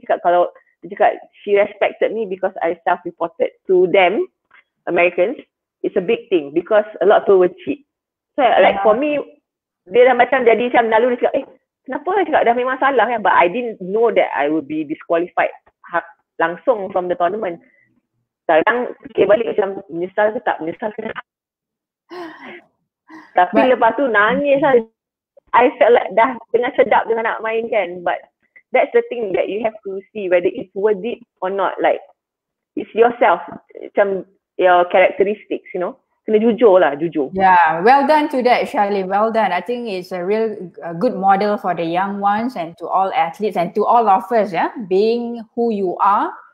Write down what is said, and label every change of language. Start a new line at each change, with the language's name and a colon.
Malay: Cakap kalau, cakap
English: she respected me because I self-reported to them, Americans. It's a big thing because a lot of people were cheat. So like for me,
Malay: dia dah macam jadi macam naluri, cakap kenapa lah, cakap dah memang salah kan.
English: But I didn't know that I would be disqualified langsung from the tournament.
Malay: Sekarang fikir balik macam menyesal ke tak, menyesal ke tak. Tapi lepas tu nangis lah.
English: I felt like
Malay: dah dengan sedap dengan nak main kan.
English: But that's the thing that you have to see whether it's worth it or not. Like it's yourself, macam your characteristics, you know.
Malay: Kena jujur lah, jujur.
English: Yeah, well done to that, Shalin. Well done. I think it's a real a good model for the young ones and to all athletes and to all of us, yeah, being who you are.